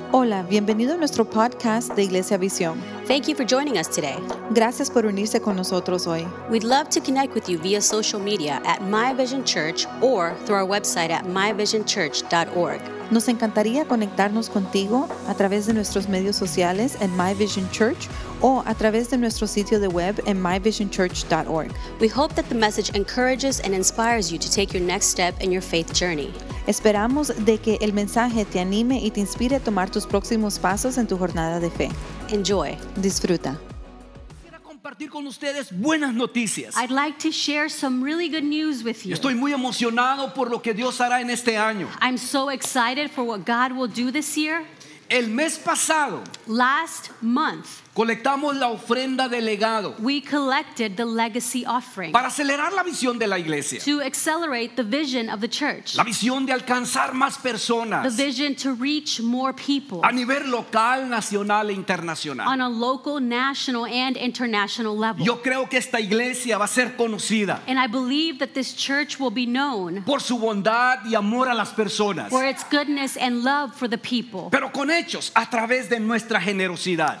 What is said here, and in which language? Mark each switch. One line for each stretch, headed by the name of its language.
Spanish: Hola, bienvenido a nuestro podcast de Iglesia Visión.
English: Thank you for joining us today.
Spanish: Gracias por unirse con nosotros hoy.
English: We'd love to connect with you via social media at My Vision Church or through our website at myvisionchurch.org.
Spanish: Nos encantaría conectarnos contigo a través de nuestros medios sociales en My Vision Church o a través de nuestro sitio de web en myvisionchurch.org.
English: We hope that the message encourages and inspires you to take your next step in your faith journey.
Spanish: Esperamos de que el mensaje te anime y te inspire a tomar tus próximos pasos en tu jornada de fe.
English: Enjoy.
Spanish: Disfruta. Quiero compartir con ustedes buenas noticias.
English: I'd like to share some really good news with you.
Spanish: Estoy muy emocionado por lo que Dios hará en este año.
English: I'm so excited for what God will do this year.
Spanish: El mes pasado,
English: last month,
Spanish: colectamos la ofrenda de legado.
English: We collected the legacy offering.
Spanish: Para acelerar la visión de la iglesia.
English: To accelerate the vision of the church.
Spanish: La visión de alcanzar más personas.
English: The vision to reach more people.
Spanish: A nivel local, nacional e internacional.
English: On a local, national and international level.
Spanish: Yo creo que esta iglesia va a ser conocida.
English: And I believe that this church will be known.
Spanish: Por su bondad y amor a las personas.
English: For its goodness and love for the people.
Spanish: Pero con hechos, a través de nuestra generosidad.